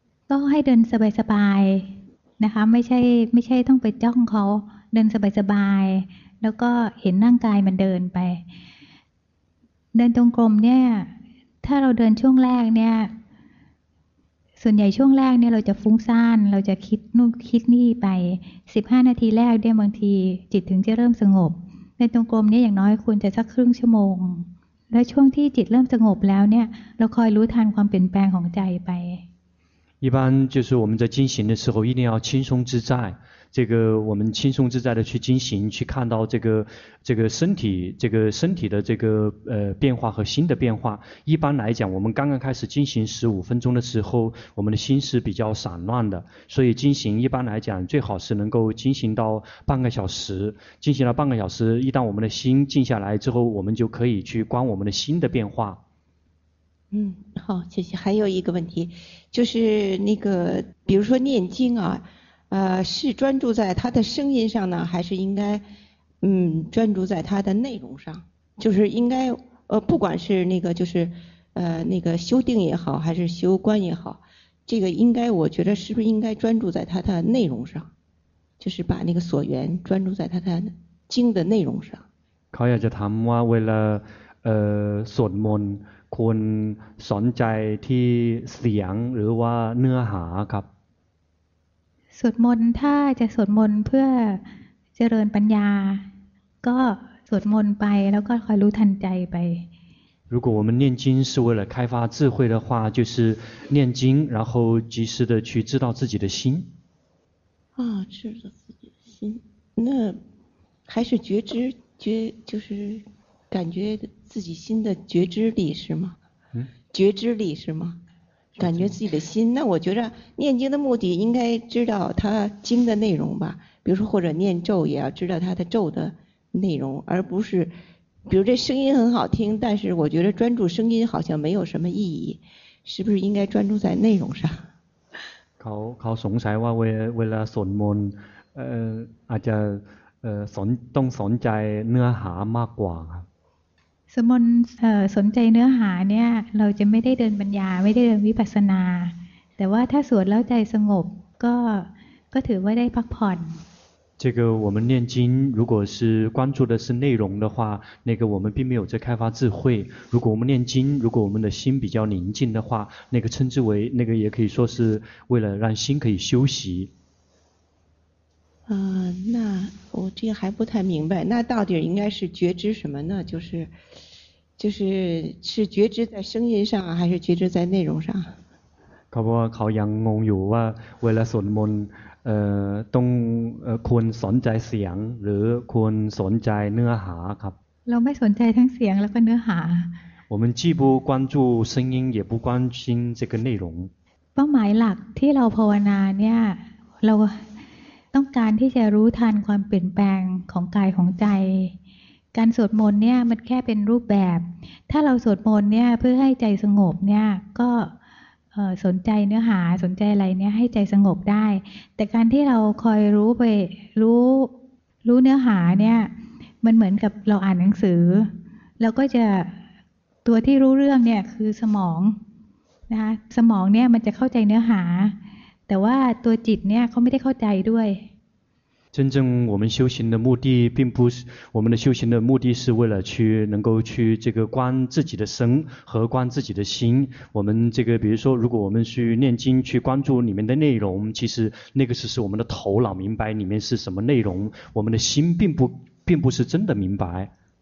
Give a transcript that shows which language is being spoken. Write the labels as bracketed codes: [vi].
[th] ก็ให้เดินสบายๆนะคะไม่ใช่ต้องไปจ้องเขาเดินสบายๆแล้วก็เห็นร่างกายมันเดินไปเดินตรงกลมเนี่ยถ้าเราเดินช่วงแรกเนี่ยส่วนใหญ่ช่วงแรกเนี่ยเราจะฟุ้งซ่านเราจะคิดนู่นคิดนี่ไป15นาทีแรกเนี่ยบางทีจิตถึงจะเริ่มสงบในตรงกลมเนี่ยอย่างน้อยควรจะสักครึ่งชั่วโมงแล้วช่วงที่จิตเริ่มสงบแล้วเนี่ยเราคอยรู้ทันความเปลี่ยนแปลงของใจไป [zh] 一般就是我们在进行的时候一定要轻松自在这个我们轻松自在的去进行去看到这个身体的这个变化和心的变化一般来讲我们刚刚开始进行15分钟的时候我们的心是比较散乱的所以进行一般来讲最好是能够进行到半个小时进行到半个小时一旦我们的心静下来之后我们就可以去观我们的心的变化好，谢谢。还有一个问题，就是那个，比如说念经啊，是专注在它的声音上呢，还是应该，专注在它的内容上？就是应该，不管是那个，就是，那个修定也好，还是修观也好，这个应该，我觉得是不是应该专注在它的内容上？就是把那个所缘专注在它的经的内容上。 [th] เขาอยากจะถามว่าเวลาสวดมนต์ควรสนใจที่เสียงหรือว่าเนื้อหาครับ สวดมนต์ถ้าจะสวดมนต์เพื่อเจริญปัญญาก็สวดมนต์ไปแล้วก็คอยรู้ทันใจไป [zh] 如果我们念经是为了开发智慧的话就是念经然后及时的去知道自己的心啊知道自己的心那还是觉知觉就是感觉自己心的觉知力是吗？觉知力是吗？感觉自己的心，那我觉得念经的目的应该知道它经的内容吧，比如说或者念咒也要知道它的咒的内容，而不是，比如这声音很好听，但是我觉得专注声音好像没有什么意义，是不是应该专注在内容上？ [th] เขาสงสัยว่าเวลาสวดมนต์อาจจะสนต้องสนใจเนื้อหามากกว่าครับ สมนสนใจเนื้อหาเนี่ยเราจะไม่ได้เดินปัญญาไม่ได้เดินวิปัสสนาแต่ว่าถ้าสวดแล้วใจสงบก็ถือว่าได้พักผ่อน [zh] 这个我们念经如果是关注的是内容的话那个我们并没有在开发智慧如果我们念经如果我们的心比较宁静的话那个称之为那个也可以说是为了让心可以休息那我这个还不太明白那到底应该是觉知什么呢就是觉知在声音上还是觉知在内容上 [th] เขาอย่างงงอยู่ว่าเวลาสวดมนต์ต้องควรสนใจเสียงหรือควรสนใจเนื้อหาครับ เราไม่สนใจทั้งเสียงแล้วก็เนื้อหา [zh] 我们既不关注声音也不关心这个内容 [th] เป้าหมายหลักที่เราภาวนาเนี่ยเราต้องการที่จะรู้ทันความเปลี่ยนแปลงของกายของใจการสวดมนต์เนี่ยมันแค่เป็นรูปแบบถ้าเราสวดมนต์เนี่ยเพื่อให้ใจสงบเนี่ยก็ สนใจเนื้อหาสนใจอะไรเนี่ยให้ใจสงบได้แต่การที่เราคอยรู้ไปรู้เนื้อหาเนี่ยมันเหมือนกับเราอ่านหนังสือเราก็จะตัวที่รู้เรื่องเนี่ยคือสมองนะสมองเนี่ยมันจะเข้าใจเนื้อหาแต่ว่าตัวจิตเนี่ยเขาไม่ได้เข้าใจด้วย [zh] 真正我们修行的目的并不是我们的修行的目的是为了去能够去这个观自己的身和观自己的心我们这个比如说如果我们去念经去关注里面的内容其实那个是我们的头脑明白里面是什么内容我们的心并不是真的明白